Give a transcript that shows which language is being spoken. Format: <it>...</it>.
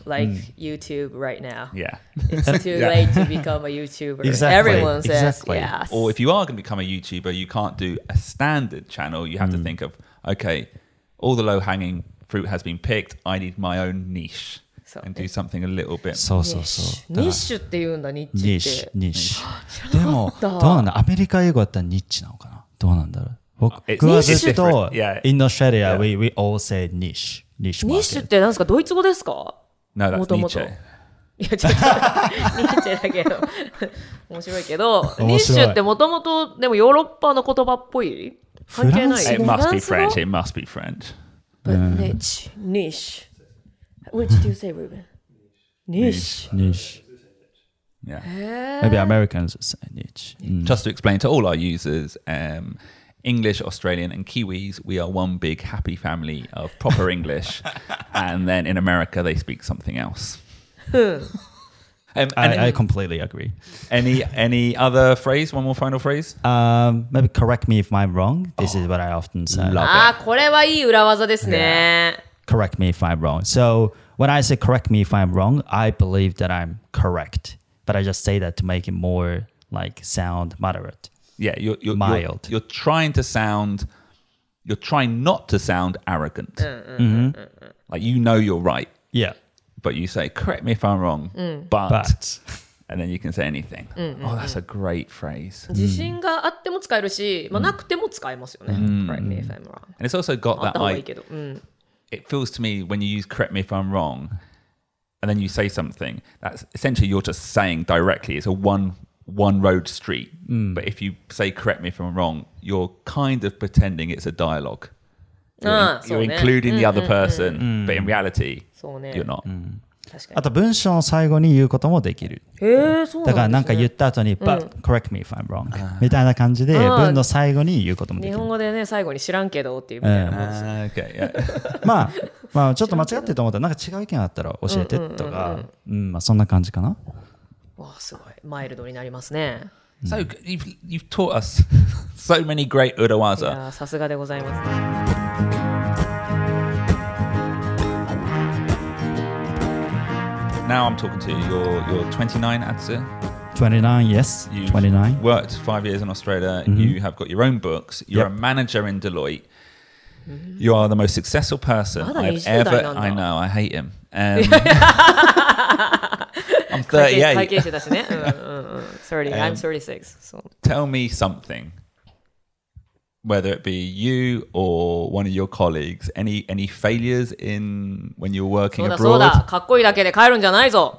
<en>Like YouTube right now. Yeah. It's too late to become a YouTuber. Exactly. Everyone says yes. Or if you are going to become a YouTuber, you can't do a standard channel. You have to think of, okay, all the low hanging fruit has been picked. I need my own niche. And do something a little bit.</en> <ja>そうそうそう。ニッシュって言うんだ、ニッチって。ニッシュ、ニッシュ。でも、どうなんだ、アメリカ英語だったらニッチなのかな、どうなんだろう。僕はずっと、インオーストラリア、</ja> <en>we all say</en> <ja>ニッシュ。ニッシュって何ですか、ドイツ語ですか？</ja> <en>No, that's ニッチェ。</en> <ja>いや、違う。ニッチェだけど。面白いけど、ニッシュってもともと、でもヨーロッパの言葉っぽい？関係ない。</ja> <en>It must be French, it must be French. But niche, niche. What did you say, Ruben? Niche. Yeah. Maybe Americans would say niche. Just to explain to all our users, English, Australian, and Kiwis, we are one big happy family of proper English. And then in America, they speak something else. I completely agree. Any other phrase? One more final phrase? Maybe correct me if I'm wrong. This is what I often say. Love it.</en> <ja>これはいい裏技ですね。</ja> <en>Correct me if I'm wrong. So when I say correct me if I'm wrong, I believe that I'm correct. But I just say that to make it more like sound moderate. Yeah, you're mild. You're trying to sound, you're trying not to sound arrogant. Like you know you're right. Yeah. But you say, correct me if I'm wrong, but and then you can say anything. Oh, that's a great phrase.</en> <ja>自信があっても使えるし、まあ、なくても使えますよね。</ja> <en>Correct me if I'm wrong. And it's also got that idea. It feels to me when you use correct me if I'm wrong and then you say something, that's essentially you're just saying directly. It's a one road street. But if you say correct me if I'm wrong, you're kind of pretending it's a dialogue. You're including the other person, but in reality, you're not.</en> <ja>あと文章の最後に言うこともできる。へえ、そうなんですね。だからなんか言った後に、</ja> <en>But correct me if I'm wrong.</en> <ja>みたいな感じで文の最後に言うこともできる。日本語でね、最後に知らんけどっていうみたいな感じ。</ja> <en>Okay, yeah.</en> <ja>まあ、ちょっと間違ってると思ったら、なんか違う意見あったら教えてとか、まあそんな感じかな。わあ、すごい。マイルドになりますね。</ja> <en>So, you've taught us so many great urawaza.</en> <ja>さすがでございます。</ja> <en>Now I'm talking to you. You're 29, Atsu. 29, yes. You've 29. Worked 5 years in Australia. Mm-hmm. You have got your own books. You're a manager in Deloitte. You are the most successful person I've ever... I know, I hate him. I'm 38. I'm 36. So. Tell me something. Whether it be you or one of your colleagues, any failures in when you're working abroad?</en> <ja>そうだそうだ。かっこいいだけで帰るんじゃないぞ。</ja>